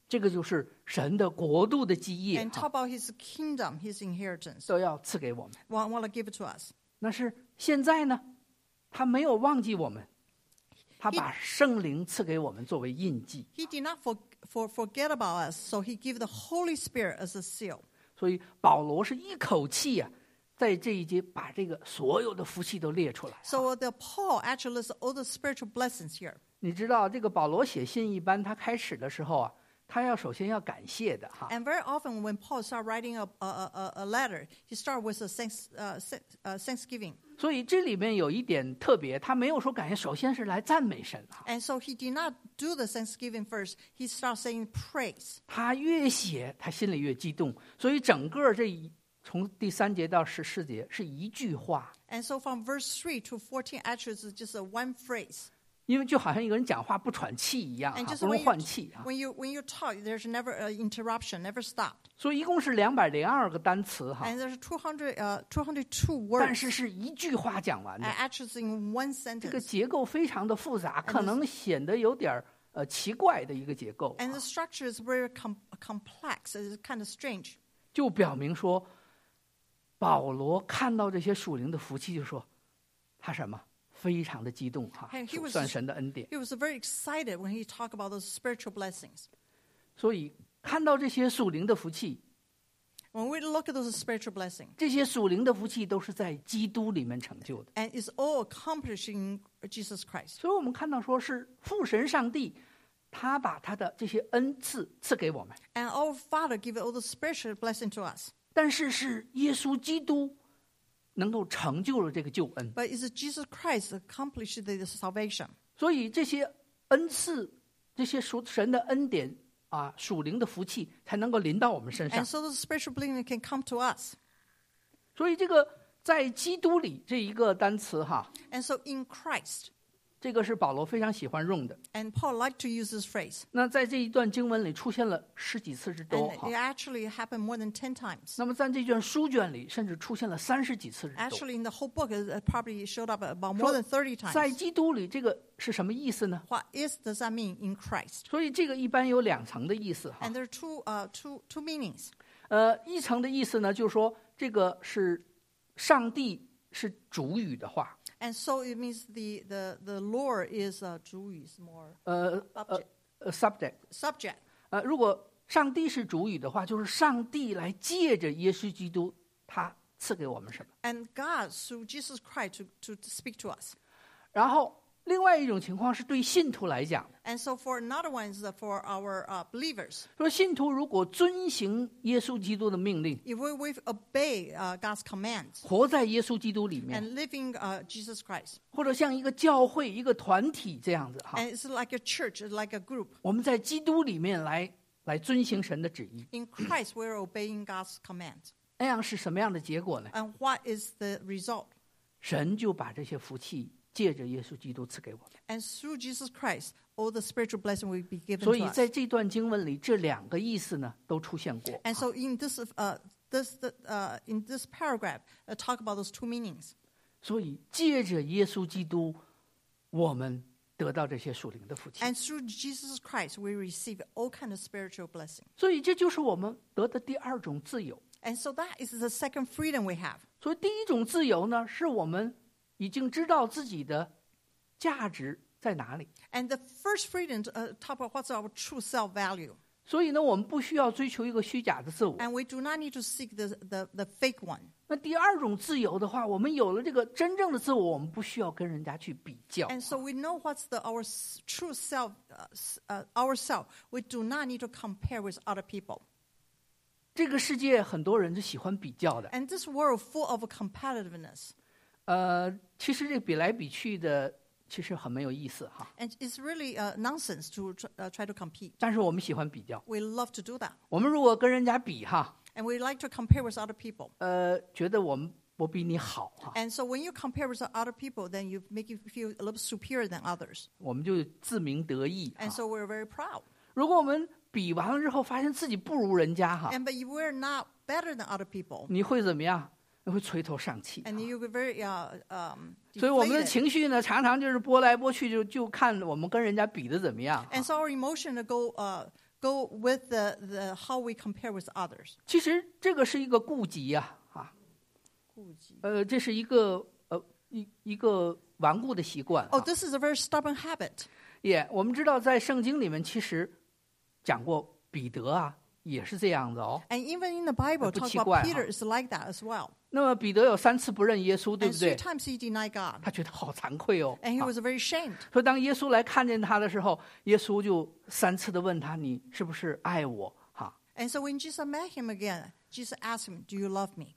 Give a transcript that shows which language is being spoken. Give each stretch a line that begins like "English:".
Chinese: 这个就是神的国度的基业。
English: And talk about his kingdom, his inheritance.
Chinese: 都要赐给我们。
English: Want to give it to us.
Chinese: 那是现在呢，他没有忘记我们，他把圣灵赐给我们作为印记。
English: He did not forget about us, so he gave the Holy Spirit as a seal.
Chinese: 所以保罗是一口气啊在这一节把这个所有的福气都列出来。
English: So the Paul actually lists all the spiritual blessings here.
Chinese: 你知道这个保罗写信一般他开始的时候啊他要首先要感谢的哈。
English: And very often when Paul starts writing a letter, he starts with a thanksgiving.
Chinese: 所以这里面有一点特别他没有说感谢首先是来赞美神。
English: And so he did not do the thanksgiving first, he starts saying praise.
Chinese: 他越写他心里越激动所以整个这一从第三节到十四节是一句话。
English: And so from verse 3 to 14 actually is just one phrase.
Chinese: 因为就好像一个人讲话不喘气一样、啊、不能换气、啊、
English: when you talk there's never an interruption never stopped
Chinese: 所以一共是202个单词、啊、
English: and there's 202 words
Chinese: 但是是一句话讲完的
English: actually in one sentence
Chinese: 这个结构非常的复杂可能显得有点、奇怪的一个结构、啊、
English: and the structure is very complex it's kind of strange
Chinese: 就表明说保罗看到这些属灵的福气就说他什么非常的激动哈、啊，数算神的恩典。
English: He was very excited when he talked about those spiritual blessings.
Chinese: 所以看到这些属灵的福气
English: ，When we look at those spiritual blessings,
Chinese: 这些属灵的福气都是在基督里面成就的
English: ，and is all accomplishing Jesus Christ.
Chinese: 所以我们看到说是父神上帝，他把他的这些恩赐赐给我们
English: ，and our Father gave all the spiritual blessing to us.
Chinese: 但是是耶稣基督。能够成就了这个救恩
English: But is Jesus Christ accomplished the salvation?
Chinese: 所以这些恩赐这些神的恩典、啊、属灵的福气才能够临到我们身上
English: And so the spiritual blessing can come to us
Chinese: 所以这个在基督里这一个单词哈
English: And so in Christ
Chinese: 这个是保罗非常喜欢用的
English: And Paul liked to use this phrase
Chinese: 那在这一段经文里出现了十几次之多
English: And it actually happened more than 10 times
Chinese: 那么在这卷书卷里甚至出现了三十几次之多
English: Actually in the whole book it probably showed up about more than 30 times
Chinese: 在基督里这个是什么意思呢
English: What is does that mean in Christ
Chinese: 所以这个一般有两层的意思
English: And there are two meanings
Chinese: 一层的意思呢就是说这个是上帝是主语的话
English: And so it means the Lord is
Chinese: 主语
English: is more subject. Subject.
Chinese: 如果上帝是主语的话，就是上帝来借着耶稣基督，他赐给我们什么
English: ？And God through Jesus Christ to speak to us.
Chinese: 然后另外一种情况是对信徒来讲。
English: And so for another one is for our believers.
Chinese: 说信徒如果遵行耶稣基督的命令
English: ，If we obey God's commands，
Chinese: 活在耶稣基督里面
English: ，and living Jesus Christ，
Chinese: 或者像一个教会、一个团体这样子哈
English: ，and it's like a church, like a group。
Chinese: 我们在基督里面来遵行神的旨意。
English: In Christ, we're obeying God's commands。
Chinese: 那样是什么样的结果呢
English: ？And what is the result？
Chinese: 神就把这些福气。借着耶稣基督赐给我们
English: and through Jesus Christ, all the spiritual blessing will be given to us.
Chinese: 所以在这段经文里，这两个意思呢都出现过。
English: And so in this in this paragraph, talk about those two meanings.
Chinese: 所以借着耶稣基督，我们得到这些属灵的福气。
English: And through Jesus Christ, we receive all kind of spiritual blessing.
Chinese: 所以这就是我们得的第二种自由。
English: And so that is the second freedom we have.
Chinese: 所以第一种自由呢，是我们。已经知道自己的价值在哪里。
English: And the first freedom talk about what's our true self value.
Chinese: 所以呢，我们不需要追求一个虚假的自我。
English: And we do not need to seek the fake one.
Chinese: 那第二种自由的话，我们有了这个真正的自我，我们不需要跟人家去比较。
English: And so we know what's the our true self, ourselves. We do not need to compare with other people.
Chinese: 这个世界很多人就喜欢比较的。
English: And this world full of competitiveness.
Chinese: 其实这比来比去的其实很没有意思哈。
English: And it's really nonsense to try to compete.
Chinese: 但是我们喜欢比较。
English: We love to do that.
Chinese: 我们如果跟人家比哈。
English: And we like to compare with other people.
Chinese: 觉得我比你好。
English: And so when you compare with other people, then you make you feel a little superior than others.
Chinese: 我们就自鸣得意。
English: And so we're very proud.
Chinese: 如果我们比完了之后发现自己不如人家。
English: And but we're not better than other people.
Chinese: 你会怎么样？你会垂头丧气。
English: And you'll be very, deflated.
Chinese: 所以我们的情绪呢，常常就是波来波去，就看我们跟人家比的怎么样。
English: And so our emotion go, go with the how we compare with others.
Chinese: 其实这个是一个顾忌呀，啊，顾忌。这是一个一个顽固的习惯。
English: Oh, this is a very stubborn habit.
Chinese: Yeah, 我们知道在圣经里面其实讲过彼得啊，也是这样的哦。
English: And even in the Bible, talk about Peter is like that as well.
Chinese: 那么彼得有三次不认耶稣，对不对
English: ？And three times he denied God.
Chinese: 他觉得好惭愧哦。
English: And he was very ashamed.
Chinese: 所以当耶稣来看见他的时候，耶稣就三次的问他：“你是不是爱我？” 哈。
English: And so when Jesus met him again, Jesus asked him, "Do you love me?"